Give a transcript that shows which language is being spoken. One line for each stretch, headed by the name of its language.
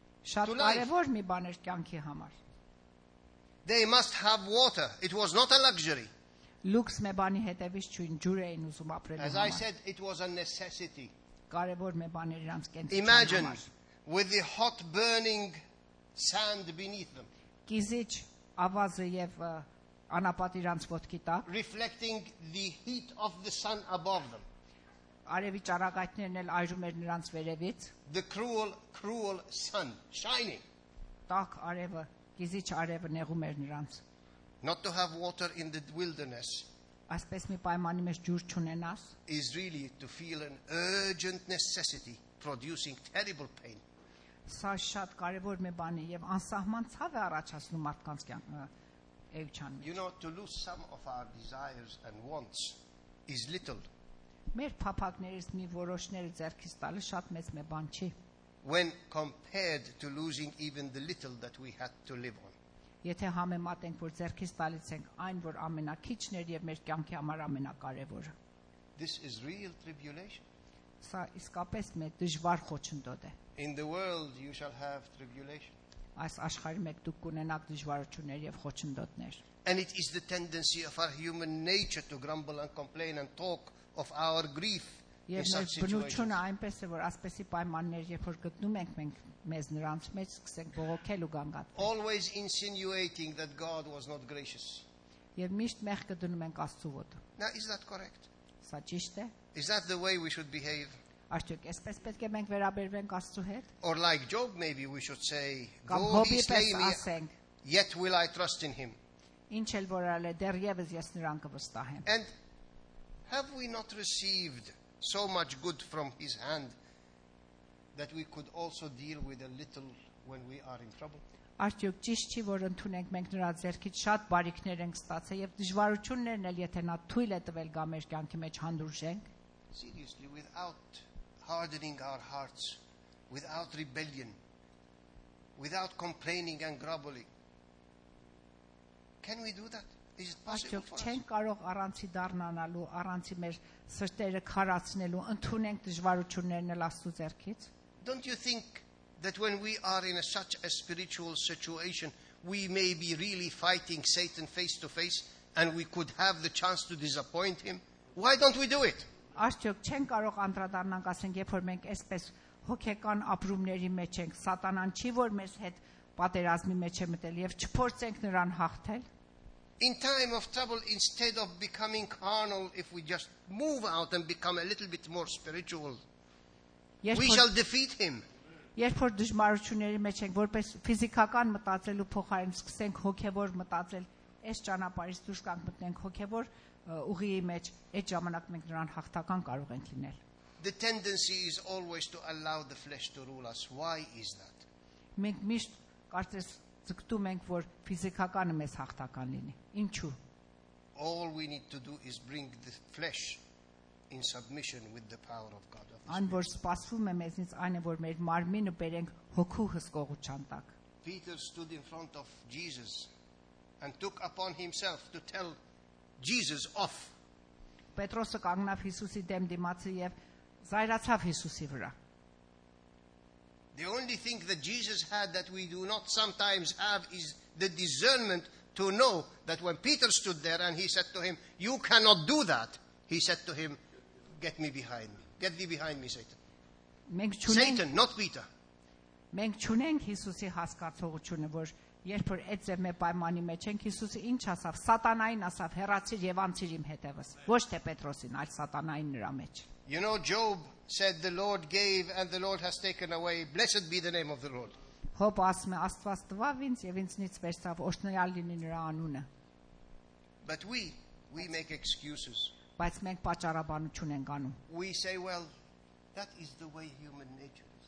Armenian: Շատ կարևոր մի բան էր կյանքի համար.
English: They must have water. It was not a luxury.
Armenian: Լուքս մե բանի հետևից չույն ջուր էին ուզում ապրելու համար.
English: As I said, it was a necessity.
Armenian: Կարևոր մե բան էր իրանց կյանքի համար.
English: Imagine with the hot burning sand beneath them.
Armenian: Կիզիչ ավազը եւ անապատ իրանց ոտքի տակ
English: reflecting the heat of the sun above them
Armenian: արևի ճառագայթներն էլ այրում էր նրանց վերևից
English: the cruel cruel sun shining
Armenian: տակ արևը գիզիչ արևը նեղում էր նրանց
English: not to have water in the wilderness
Armenian: այսպես մի պայմանի մեջ ջուր չունենաս
English: is really to feel an urgent necessity producing terrible pain
Armenian: Սա շատ կարևոր մի բան է եւ անսահման ցավ է առաջացնում մարդկանց կյանքը Էվչան։
English: You know to lose some of our desires and wants is little։
Armenian: Մեր փափակներից մի որոշները ձեռքից տալը շատ մեծ մի բան չի։
English: When compared to losing even the little that we had to live on։
Armenian: Եթե համեմատենք որ ձեռքից տալից ենք այն որ ամենաքիչն էր եւ մեր կյանքի համար ամենակարևորը։
English: This is real tribulation։
Armenian: Սա իսկապես մեծ դժվար խոչընդոտ է։
English: In the world you shall have tribulation.
Armenian: Այս աշխարհում եք դուք կունենաք դժվարություններ եւ խոչընդոտներ։
English: And it is the tendency of our human nature to grumble and complain and talk of our grief.
Armenian: Եվ բնությունը այնպես է որ ասպեսի պայմաններ երբ որ գտնում ենք մենք մեզ նրանց մեջ սկսենք բողոքել ու գանգատվել։
English: Always insinuating that God was not gracious.
Armenian: Եվ միշտ մեղք դնում ենք Աստծու ոտը։
English: Now is that correct?
Armenian: Սա ճիշտ է։
English: Is that the way we should behave?
Armenian: Աշխատեք, այսպես պետք է մենք վերաբերվենք Աստծո հետ։
English: Or like Job maybe we should say, God is saying, yet will I trust in him.
Armenian: Ինչ էլ որ արել է, դեռևս ես նրան կվստահեմ։
English: And have we not received so much good from his hand that we could also deal with a little when we are in trouble?
Armenian: Աշխատեք, ճիշտ չի որ ընդունենք մենք նրա ձեռքից շատ բարիքներ ենք ստացել եւ դժվարություններն էլ եթե նա թույլ է տվել գա մեր կյանքի մեջ հանդուրժենք։
English: Seriously without hardening our hearts without rebellion without complaining and grumbling can we do that is it possible for us
Armenian: չեն կարող առանցի դառնանալու առանցի մեր սրտերը քարացնելու ընդունենք դժվարություններն էլ Աստծո ձեռքից
English: don't you think that when we are in a such a spiritual situation we may be really fighting Satan face to face and we could have the chance to disappoint him why don't we do it
Armenian: Աստուք չեն կարող անդրադառնանք ասենք, երբ որ մենք այսպես հոգեկան ապրումների մեջ ենք, սատանան չի որ մեզ հետ պատերազմի մեջ է մտել եւ չփորձենք նրան հաղթել։
English: In time of trouble instead of becoming carnal if we just move out and become a little bit more spiritual. We shall defeat him.
Armenian: Երբ որ դժմարությունների մեջ ենք, որպես ֆիզիկական մտածելու փոխարեն սկսենք հոգեվոր մտածել, այս ճանապարհից դուրս կանք մտնենք հոգեվոր ուղիի մեջ այդ ժամանակ մենք նրան հաղթական կարող ենք լինել
English: The tendency is always to allow the flesh to rule us. Why is that?
Armenian: Մենք միշտ կարծես ցգտում ենք, որ ֆիզիկականը մեզ հաղթական լինի։ Ինչու?
English: All we need to do is bring the flesh in submission with the power of God.
Armenian: Այն որ սпасվում է մեզից այն է, որ մեր մարմինը բերենք հոգու հսկողության տակ։
English: Peter stood in front of Jesus and took upon himself to tell Jesus off.
Armenian: Պետրոսը կանգնավ Հիսուսի դեմ դիմացը եւ զայրացավ Հիսուսի վրա.
English: The only thing that Jesus had that we do not sometimes have is the discernment to know that when Peter stood there and he said to him, "You cannot do that." He said to him, "Get me behind me. Get thee behind me, Satan. Satan, not Peter.
Armenian: Մենք չունենք Հիսուսի հասկացողությունը, որ երբ որ այդ ձեր մեծ պայմանի մեջ ենք, Հիսուսը ինչ ասավ, Սատանային ասավ, հեռացիր եւ անցիր իմ հետեւս, ոչ թե Պետրոսին, այլ Սատանային նրա մեջ.
English: You know, Job said, the Lord gave and the Lord has taken away. Blessed be the name of the Lord.
Armenian: Հոբ ասում է, Աստված տվավ ինձ եւ ինձնից վերցավ, օրհնյալ լինի նրա անունը.
English: But we make excuses.
Armenian: Բայց մենք պատճառաբանություն ենք անում.
English: We say, well, that is the way human nature.